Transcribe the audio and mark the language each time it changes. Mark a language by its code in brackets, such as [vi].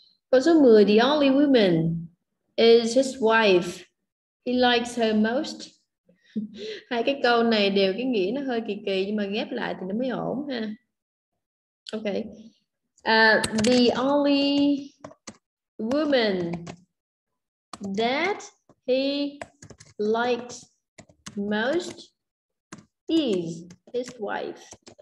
[vi] Câu số 10, [en] the only woman is his wife. He likes her most. [vi] Hai cái câu này đều cái nghĩa nó hơi kỳ nhưng mà ghép lại thì nó mới ổn ha. [en] Okay. The only woman that he likes most is his wife.